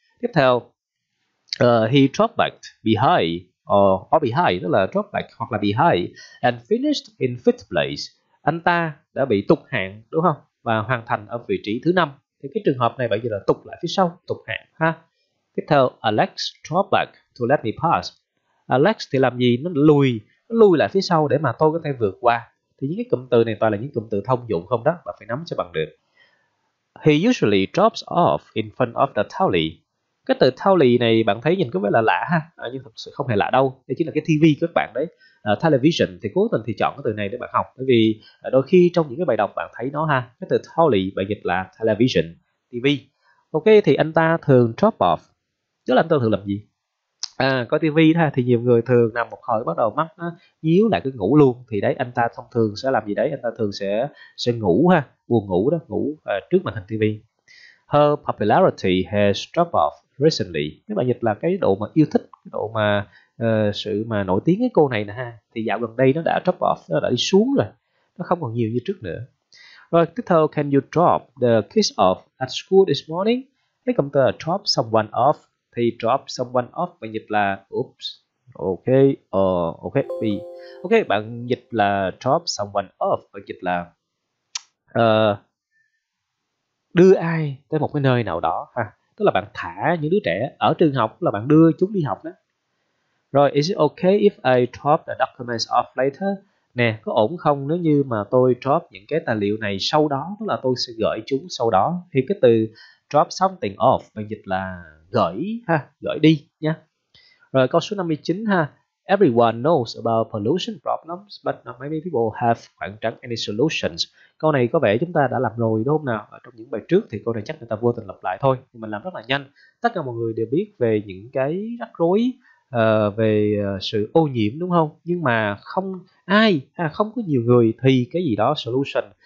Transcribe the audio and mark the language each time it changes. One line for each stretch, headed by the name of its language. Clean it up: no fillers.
Vietnamese: Tiếp theo,
English: he dropped back behind or behind,
Vietnamese: đó là drop back hoặc là behind,
English: and finished in fifth place,
Vietnamese: anh ta đã bị tụt hạng đúng không, và hoàn thành ở vị trí thứ năm. Thì cái trường hợp này bây giờ là tụt lại phía sau, tụt hạng ha. Tiếp theo,
English: Alex dropped back to let me pass.
Vietnamese: Alex thì làm gì, nó lùi lại phía sau để mà tôi có thể vượt qua. Thì những cái cụm từ này toàn là những cụm từ thông dụng không đó, bạn phải nắm cho bằng được.
English: He usually drops off in front of the telly.
Vietnamese: Cái từ telly này bạn thấy nhìn có vẻ là lạ ha, nhưng thật sự không hề lạ đâu. Đây chính là cái TV các bạn đấy, television. Thì cố tình thì chọn cái từ này để bạn học, bởi vì đôi khi trong những cái bài đọc bạn thấy nó ha, cái từ telly bạn dịch là television, TV. Ok, thì anh ta thường drop off, tức là anh ta thường làm gì? À, coi TV ha, thì nhiều người thường nằm một hồi bắt đầu mắt nó nhíu lại cứ ngủ luôn. Thì đấy, anh ta thông thường sẽ làm gì đấy? Anh ta thường sẽ ngủ ha, buồn ngủ đó, ngủ trước màn hình TV.
English: Her popularity has dropped off recently.
Vietnamese: Nếu bạn dịch là cái độ mà yêu thích, cái độ mà sự mà nổi tiếng cái cô này nè ha, thì dạo gần đây nó đã drop off, nó đã đi xuống rồi, nó không còn nhiều như trước nữa. Rồi, tiếp theo,
English: can you drop the kids off at school this morning?
Vietnamese: Cái cụm từ drop someone off thì drop someone off bạn dịch là oops, ok bạn dịch là drop someone off bạn dịch là đưa ai tới một cái nơi nào đó ha, tức là bạn thả những đứa trẻ ở trường học, là bạn đưa chúng đi học đó. Rồi,
English: is it okay if I drop the documents off later?
Vietnamese: Nè, có ổn không nếu như mà tôi drop những cái tài liệu này sau đó, tức là tôi sẽ gửi chúng sau đó. Thì cái từ drop something off bạn dịch là gửi ha, gửi đi nhé. Rồi câu số 59 ha.
English: Everyone knows about pollution problems, but not many people have
Vietnamese: khoảng trắng
English: any solutions.
Vietnamese: Câu này có vẻ chúng ta đã làm rồi đúng không nào? Ở trong những bài trước thì câu này chắc người ta vô tình lặp lại thôi. Nhưng mình làm rất là nhanh. Tất cả mọi người đều biết về những cái rắc rối về sự ô nhiễm đúng không? Nhưng mà không ai, ha, không có nhiều người thì cái gì đó solution.